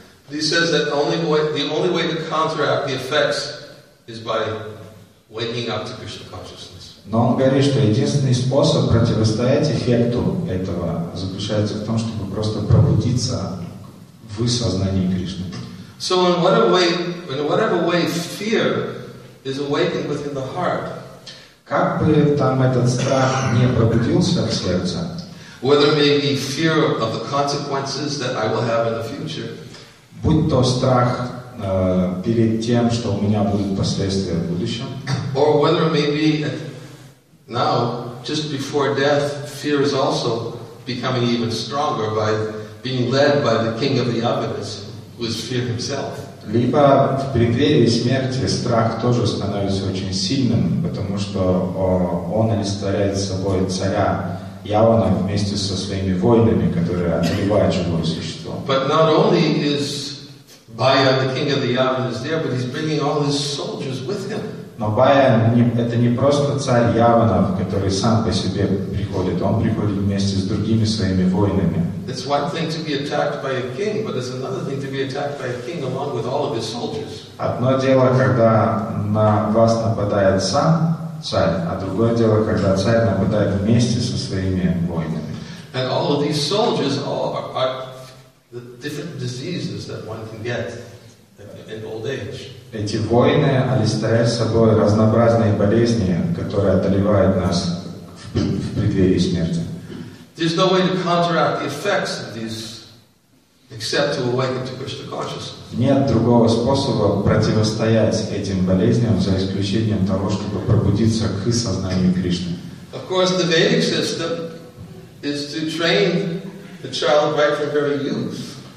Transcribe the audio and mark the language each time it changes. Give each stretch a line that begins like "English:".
English: He says that the only way to counteract the effects is by waking up to Krishna consciousness.
Russian: Но он говорит, что единственный способ противостоять эффекту этого заключается в том, чтобы просто пробудиться в сознании Кришны.
English: So in whatever way fear is awakened within the heart.
Russian: Как бы там этот страх не пробудился в сердце.
English: Whether it may be fear of the consequences that I will have in the future.
Russian: Будь то страх перед тем, что у меня будут последствия в будущем.
English: Or whether it may be now, just before death, fear is also becoming even stronger by being led by the king of the Avatars, who is fear himself.
Russian: Либо в преддверии смерти страх тоже становится очень сильным, потому что он олицетворяет собой царя Явана вместе со своими воинами, которые одолевают живое существо.
English: But not only is Bhaya, the king of the Yavanas, there, but he's bringing all his soldiers with him.
Russian: Но Бая это не просто царь Яванов, который сам по себе приходит. Он приходит вместе с другими своими воинами.
English: It's one thing to be attacked by a king, but it's another thing to be attacked by a king along with all of his soldiers.
Russian: Одно дело, когда на вас нападает сам царь, а другое дело, когда царь нападает вместе со своими воинами.
English: And all of these soldiers are the different diseases that one can get in old age.
Russian: Эти воины олицетворяют собой разнообразные болезни, которые одолевают нас в преддверии смерти.
English: There's no way to counteract the effects of these except to awaken to Krishna consciousness.
Russian: Нет другого способа противостоять этим болезням за исключением того, чтобы пробудиться к сознанию Кришны.
English: Of course, the Vedic system is to train the child right from very youth.